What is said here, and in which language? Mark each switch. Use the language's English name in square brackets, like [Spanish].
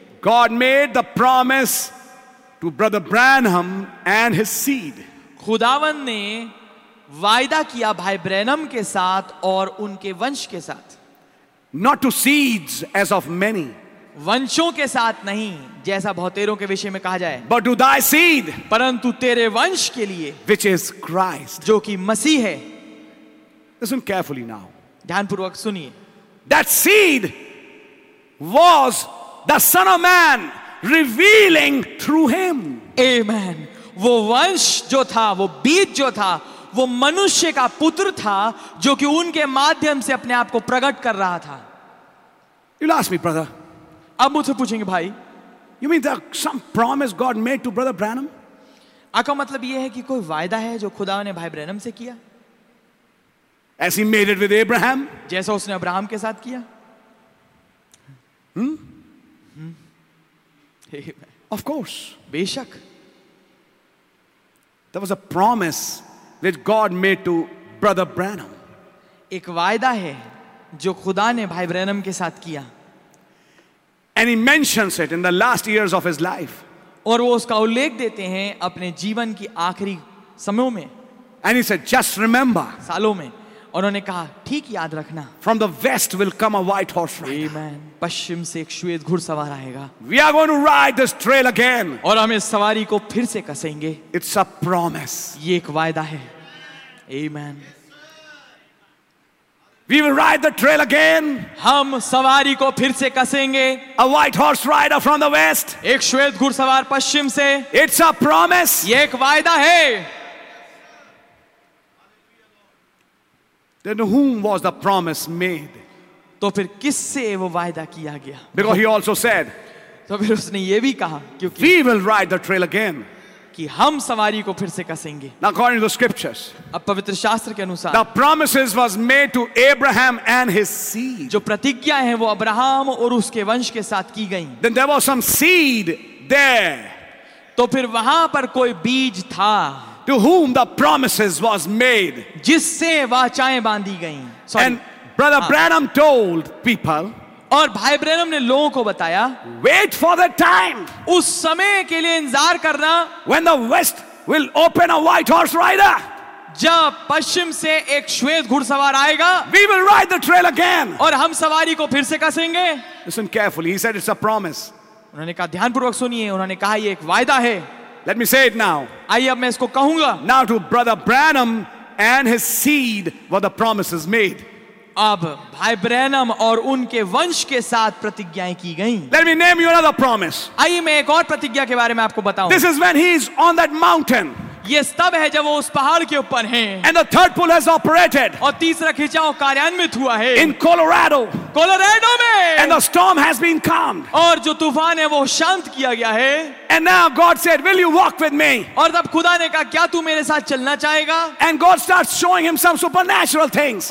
[English] God made the promise to brother Branham and his seed [Hindi] खुदावन ने वायदा किया भाई ब्रैनम के साथ और उनके वंश के साथ [English] not to seeds as of many [Hindi] वंशों के साथ नहीं जैसा बहुतेरों के विषय में कहा जाए [English] but to thy seed, [Hindi] परंतु तेरे वंश के लिए [English] which is Christ, [Hindi] जो कि मसीह है [English] listen carefully now, [Hindi] ध्यानपूर्वक सुनिए [English] that seed was the son of man revealing through him, [Hindi] amen, वो वंश जो था वो बीज जो था वो मनुष्य का पुत्र था जो कि उनके माध्यम से अपने आप को प्रकट कर रहा था [English] you'll ask me brother [Hindi] अब मुझसे पूछेंगे भाई [English] You mean that some promise God made to Brother Branham? [Hindi] आपका मतलब यह है कि कोई वायदा है जो खुदा ने भाई ब्रैनम से किया? [English] As he made it with Abraham? [Hindi] जैसा उसने अब्राहम के साथ किया? [English] Of course. [Hindi] बेशक. [English] There was a promise which God made to Brother Branham. [Hindi] एक वायदा है जो खुदा ने भाई ब्रैनम के साथ किया. [English] And he mentions it in the last years of his life. [Hindi] और वो उसका उल्लेख देते हैं अपने जीवन की आखिरी समयों में. [English] And he said, "Just remember." [Hindi] सालों में. और उन्होंने कहा, ठीक याद रखना. [English] From the west will come a white horse rider. Amen. [Hindi] पश्चिम से एक श्वेत घुड़सवार आएगा. [English] We are going to ride this trail again. [Hindi] और हम इस सवारी को फिर से कसेंगे. [English] It's a promise. [Hindi] ये एक वायदा है. Amen. [English] We will ride the trail again. [Hindi] हम सवारी को फिर से कसेंगे. [English] A white horse rider from the west. [Hindi] एक श्वेत घुड़सवार पश्चिम से. [English] It's a promise. [Hindi] ये एक वायदा है. [English] Then whom was the promise made? [Hindi] तो फिर किससे वो वायदा किया गया? [English] Because he also said. [Hindi] तो फिर उसने ये भी कहा क्योंकि. [English] We will ride the trail again. [Hindi] कि हम सवारी को फिर से कसेंगे [English] according to the scriptures [Hindi] अब पवित्र शास्त्र के अनुसार [English] the promises was made to Abraham and his seed [Hindi] जो प्रतिज्ञा है वो अब्राहम और उसके वंश के साथ की गई [English] then there was some seed there [Hindi] तो फिर वहां पर कोई बीज था [English] to whom the promises was made [Hindi] जिससे वाचाएं बांधी गई [English] and brother Branham told people [Hindi] और भाई ब्रैनम ने लोगों को बताया [English] wait for the time [Hindi] उस समय के लिए इंतजार करना [English] when the west will open a white horse rider [Hindi] जब पश्चिम से एक श्वेत घुड़सवार आएगा [English] we will ride the trail again [Hindi] और हम सवारी को फिर से कसेंगे [English] listen carefully he said it's a promise [Hindi] उन्होंने कहा ध्यानपूर्वक सुनिए उन्होंने कहा यह एक वायदा है [English] let me say it now [Hindi] आइए अब मैं इसको कहूंगा [English] now to brother Branham and his seed were the promises made [Hindi] अब भाई ब्रैनम और उनके वंश के साथ प्रतिज्ञाएं की गई [English] Let me name you another promise. [Hindi] आइए मैं एक और प्रतिज्ञा के बारे में आपको बताऊं [English] This is when he is on that mountain. [Hindi] ये स्तब है जब वो उस पहाड़ के ऊपर है [English] And the third pull has operated. [Hindi] और तीसरा खिंचाव कार्यान्वित हुआ है [English] In Colorado. [Hindi] कोलोराडो में [English] And the storm has been calmed. [Hindi] और जो तूफान है वो शांत किया गया है [English] And now God said, "Will you walk with me?" [Hindi] और तब खुदा ने कहा, क्या तू मेरे साथ चलना चाहेगा? [English] And God starts showing him some supernatural things.